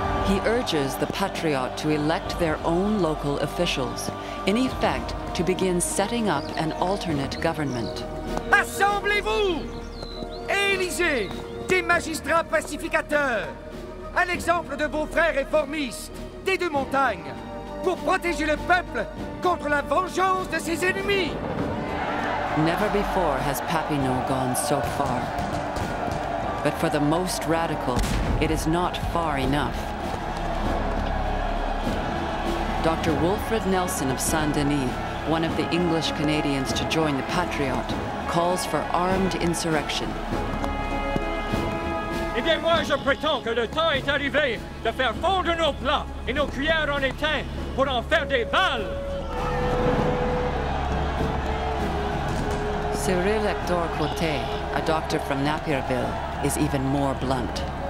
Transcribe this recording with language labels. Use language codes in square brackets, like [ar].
[en] He urges the Patriot to elect their own local officials, in effect, to begin setting up an alternate government. [fr] Assemblez-vous! Élisez des magistrats pacificateurs, à l'exemple de vos frères réformistes, des deux montagnes, pour protéger le peuple contre la vengeance de ses ennemis. [en] Never before has Papineau gone so far. But for the most radical, it is not far enough. Dr. Wilfred Nelson of Saint-Denis, one of the English Canadians to join the Patriot, calls for armed insurrection. [fr] Eh bien, moi, je prétends que le temps est arrivé de faire fondre nos plats et nos cuillères en étain pour en faire des balles. [en] Cyril Hector Côté, a doctor from Napierville, is even more blunt.